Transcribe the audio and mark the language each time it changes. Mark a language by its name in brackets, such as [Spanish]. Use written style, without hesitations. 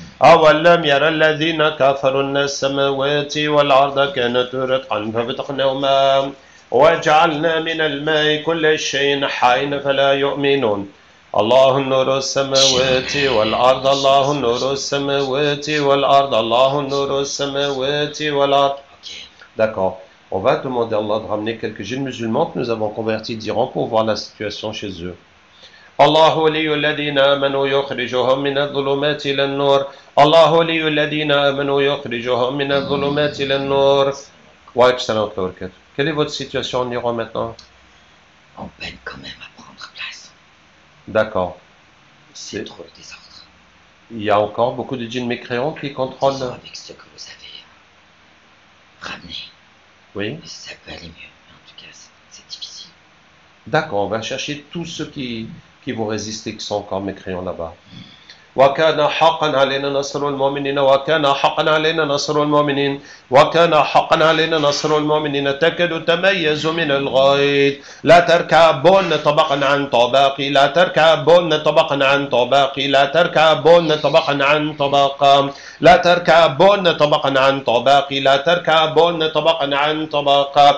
[Arabic] أولم ير الذين كفروا أن السماوات والأرض كانت رتقا ففتقناهما وجعلنا من الماء كل شيء حي فلا يؤمنون. الله نور السماوات والأرض، الله نور السماوات والأرض، الله نور السماوات والأرض. [French] D'accord. On va demander à Allah de ramener quelques jeunes musulmans que nous avons convertis d'Iran pour voir la situation chez eux. [Arabic] الله ولي الذين آمنوا يخرجهم من الظلمات إلى النور. الله ولي الذين آمنوا يخرجهم من الظلمات إلى النور. وايد سلام عليك. [French] Quelle est votre situation en Iran maintenant? On peine quand même à prendre place. D'accord. C'est trop le désordre. Il y a encore beaucoup de djinns mécréants qui contrôlent. Disons avec ce que vous avez ramené. Oui. Ça peut aller mieux, mais en tout cas, c'est difficile. D'accord, on va chercher tous ceux qui vont résister, qui sont encore mécréants là-bas. [Arabic] وكان حقا علينا نصر المؤمنين وكان حقا علينا نصر المؤمنين وكان حقا علينا نصر المؤمنين تكاد تميز من الغيظ لا تركبون طبقا عن طبق لا تركبون طبقا عن طبق لا تركبون طبقا عن طبق لا تركبون طبقا عن طبق لا تركبون طبقا عن طبق